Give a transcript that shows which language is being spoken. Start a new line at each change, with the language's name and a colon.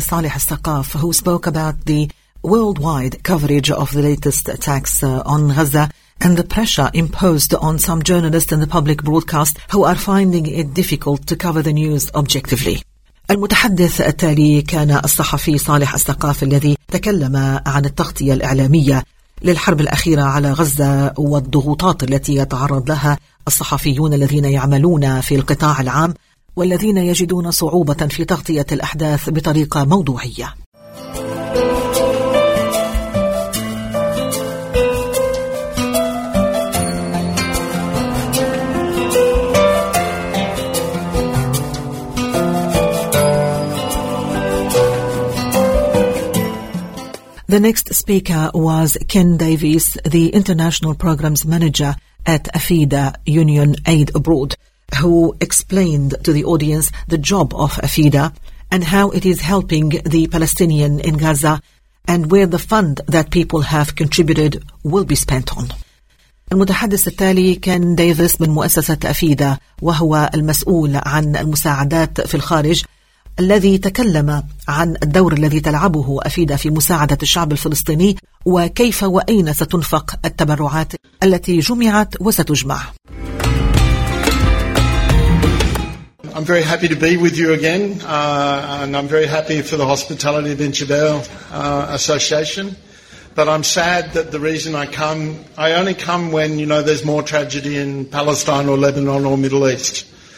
English: Saleh Al-Saqaf, who spoke about the worldwide coverage of the latest attacks on Gaza and the pressure imposed on some journalists in the public broadcast who are finding it difficult to cover the news objectively.
Arabic: المتحدث التالي كان الصحفي صالح الثقاف الذي تكلم عن التغطية الإعلامية للحرب الأخيرة على غزة والضغوطات التي يتعرض لها الصحفيون الذين يعملون في القطاع العام والذين يجدون صعوبة في تغطية الأحداث بطريقة موضوعية.
English: The next speaker was Ken Davies, the International Programs Manager at AFIDA Union Aid Abroad, who explained to the audience the job of AFIDA and how it is helping the Palestinian in Gaza and where the fund that people have contributed will be spent on.
Arabic: المتحدث التالي كان ديفيس من مؤسسة AFIDA وهو المسؤول عن المساعدات في الخارج الذي تكلم عن الدور الذي تلعبه أفيدا في مساعدة الشعب الفلسطيني وكيف وأين ستنفق التبرعات التي جمعت وستجمع.
English: I'm very happy to be with you again and I'm very happy for the hospitality of Inchibel Association, but I'm sad that the reason I only come when you know there's more tragedy in Palestine or Lebanon or Middle East.